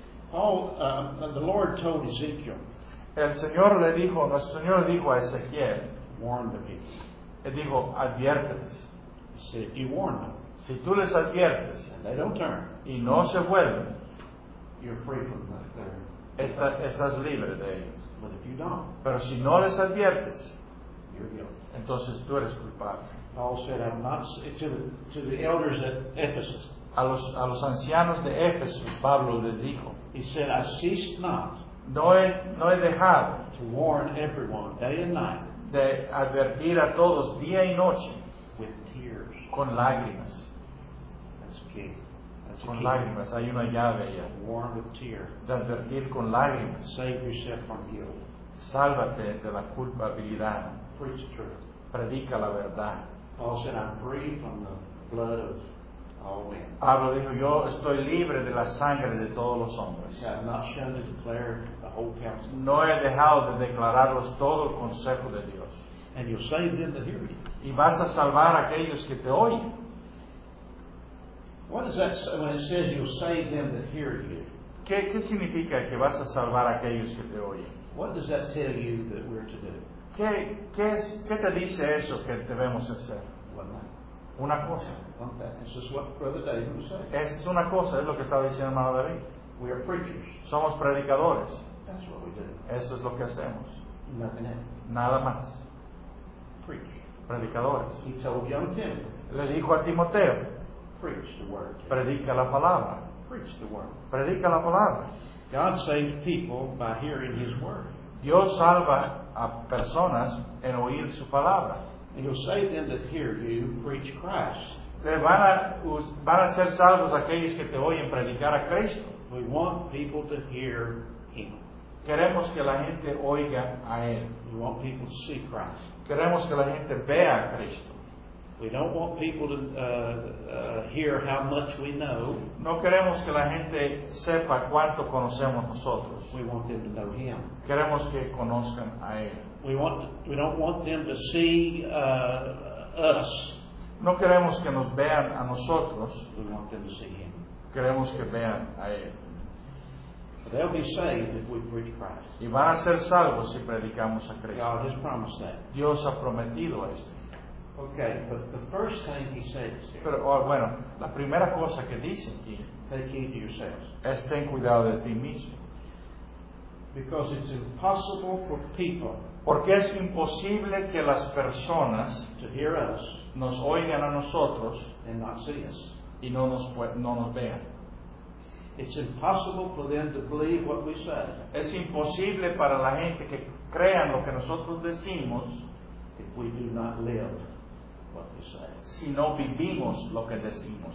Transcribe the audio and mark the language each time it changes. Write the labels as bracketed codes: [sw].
[en] Paul, the Lord told Ezekiel. [es] El Señor le dijo a Ezequiel. [en] Warn the people. [es] Y digo, adviérteles. [en] Si, if you warn them, [es] si tú les adviertes, [en] and they don't turn, [es] y no se vuelven, [en] you're free from that. [es] Estás libre de ellos. [en] But if you don't, [es] pero si no les adviertes, [en] you're guilty. [es] Entonces tú eres culpable. [en] Paul said, "I'm not to the elders at Ephesus." [es] A los ancianos de Éfeso, Pablo les dijo. [en] He said, "I cease not." [es] No he dejado. [en] To warn everyone day and night. [es] De advertir a todos día y noche [en] with tears. [es] Con lágrimas. [en] That's key. That's [es] con lágrimas. Hay una llave ya. [en] Warn with tears. [es] De advertir con lágrimas. [en] Save yourself from guilt. [es] Sálvate de la culpabilidad. [en] Preach the truth. [es] Predica la verdad. [en] Paul said, "I'm free from the blood of all men." [es] Pablo dijo, "Yo estoy libre de la sangre de todos los hombres." [en] I have not shunned to declare. [es] No he dejado de declararlos todo el consejo de Dios. [en] And you'll save them to hear you. [es] Y vas a salvar a aquellos que te oyen. [en] What does that say when it says you'll save them to hear you? [es] ¿Qué significa que vas a salvar a aquellos que te oyen? [en] What does that tell you that we're to do? [es] ¿Qué te dice eso que debemos hacer? Una cosa. [en] This is what Brother David was saying. [es] Es una cosa, es lo que estaba diciendo el hermano David. [en] We are preachers. [es] Somos predicadores. [en] That's what we do. [es] Eso es lo que hacemos. [en] Nothing else. [es] Nada más. [en] Preach. [es] Predicadores. [en] He told young Timothy. [es] Le dijo a Timoteo. [en] Preach the word. [es] Predica la palabra. [en] Preach the word. [es] Predica la palabra. [en] God saves people by hearing His word. [es] Dios salva a personas en oír su palabra. [en] And you'll say then that hear you preach Christ. [es] Van a ser salvos aquellos que te oyen predicar a Cristo. [en] We want people to hear him. [es] Queremos que la gente oiga a él. [en] We want people to see Christ. [es] Queremos que la gente vea a Cristo. [en] We don't want people to hear how much we know. [es] No queremos que la gente sepa cuánto conocemos nosotros. [en] We want them to know him. [es] Queremos que conozcan a él. [en] We don't want them to see us. [es] No queremos que nos vean a nosotros. [en] We want them to see him. [es] Queremos que vean a él. [en] They'll be saved if we preach Christ. [es] Y van a ser salvos si predicamos a Cristo. [en] God has promised that. [es] Dios ha prometido esto. [en] Okay, but the first thing he says here. [es] Pero bueno, la primera cosa que dice aquí. [en] Take heed to yourselves. [es] Es ten cuidado de ti mismo. [en] Because it's impossible for people. [es] Porque es imposible que las personas [en] to hear us [es] nos oigan a nosotros [en] and not see us [es] y no nos vean. [en] It's impossible for them to believe what we say. [es] Es imposible para la gente que crean lo que nosotros decimos [en] if we do not live what we say. [es] Si no vivimos lo que decimos.